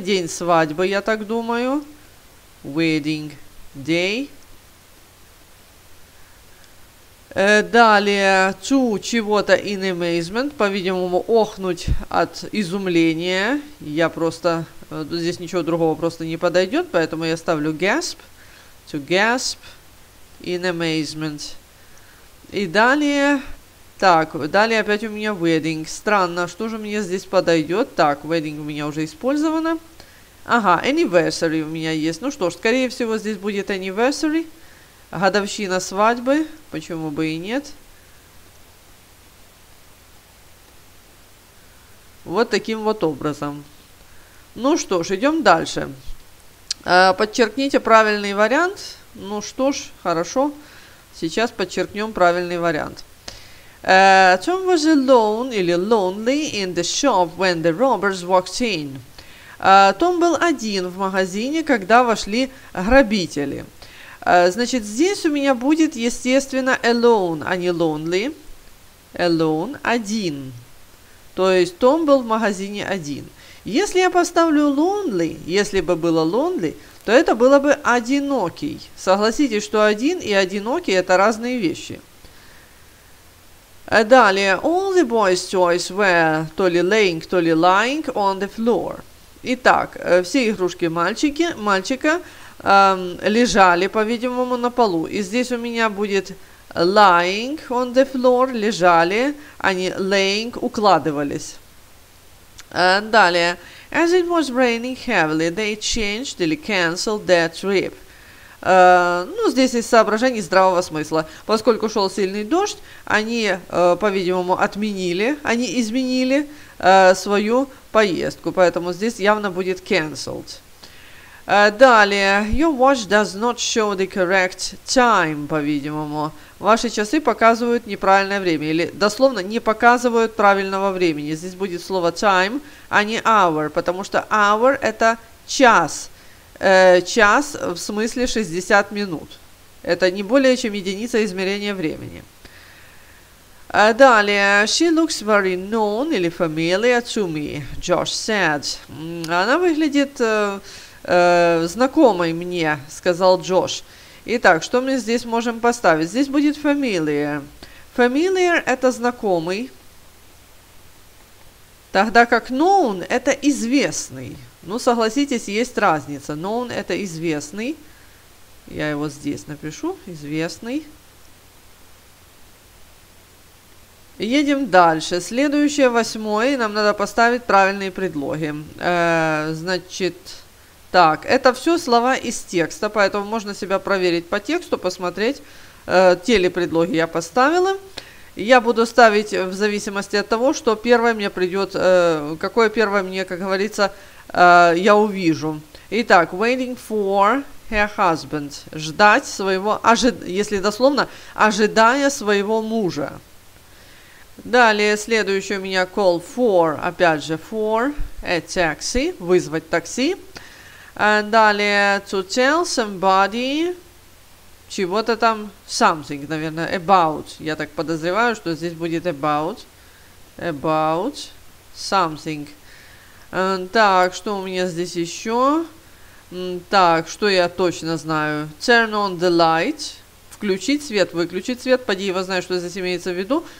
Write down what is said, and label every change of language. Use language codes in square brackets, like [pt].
[ru] День свадьбы, я так думаю. [en] Wedding day. [ru] Далее, [en] to [ru] чего-то [en] in amazement. [ru] По-видимому, охнуть от изумления. Я просто... Здесь ничего другого просто не подойдет, поэтому я ставлю gasp. [en] To gasp in amazement. [ru] И далее... Так, далее опять у меня wedding. Странно, что же мне здесь подойдет? Так, wedding у меня уже использовано. Ага, anniversary у меня есть. Ну что ж, скорее всего, здесь будет anniversary. Годовщина свадьбы. Почему бы и нет? Вот таким вот образом. Ну что ж, идем дальше. Подчеркните правильный вариант. Ну что ж, хорошо. Сейчас подчеркнем правильный вариант. [en] Tom was alone [ru] или [en] lonely in the shop when the robbers walked in. [ru] Tom был один в магазине, когда вошли грабители. Значит, здесь у меня будет, естественно, alone, а не lonely. Alone, один. То есть Tom был в магазине один. Если я поставлю lonely, если бы было lonely, то это было бы одинокий. Согласитесь, что один и одинокий – это разные вещи. Далее. [en] All the boys' toys were [ru] то ли [en] laying, то ли lying on the floor. [ru] Итак, все игрушки мальчика лежали, по-видимому, на полу. И здесь у меня будет [en] lying on the floor [ru] – лежали, а не laying – укладывались. Далее. [en] As it was raining heavily, they changed [ru] или [en] cancelled their trip. [ru] Ну, здесь есть соображение здравого смысла. Поскольку шел сильный дождь, они, по-видимому, изменили свою поездку. Поэтому здесь явно будет cancelled. Далее, [en] your watch does not show the correct time, [ru] по-видимому. Ваши часы показывают неправильное время, или дословно не показывают правильного времени. Здесь будет слово time, а не hour, потому что hour – это час. Час в смысле 60 минут. Это не более чем единица измерения времени. Далее, [en] she looks very known, [ru] или [en] familiar to me, Josh said. [ru] Она выглядит... знакомой мне, сказал Джош. Итак, что мы здесь можем поставить? Здесь будет familiar. Familiar – это знакомый. Тогда как known – это известный. Ну, согласитесь, есть разница. Known – это известный. Я его здесь напишу. Известный. Едем дальше. Следующее, восьмое. Нам надо поставить правильные предлоги. Значит... Так, это все слова из текста, поэтому можно себя проверить по тексту, посмотреть, те ли предлоги я поставила. Я буду ставить в зависимости от того, что первое мне придет, какое первое мне, как говорится, я увижу. Итак, [en] waiting for her husband. [ru] Ждать своего, если дословно, ожидая своего мужа. Далее, следующее у меня [en] call for, [ru] опять же, [en] for a taxi, [ru] вызвать такси. Далее, [en] to tell somebody [ru] чего-то там, [en] something, [ru] наверное, [en] about. [ru] Я так подозреваю, что здесь будет about. [en] About something. [ru] Так, что у меня здесь еще? Так, что я точно знаю? [en] Turn on the light. [ru] Включить свет, выключить свет. Поди его знаю, что здесь имеется в виду.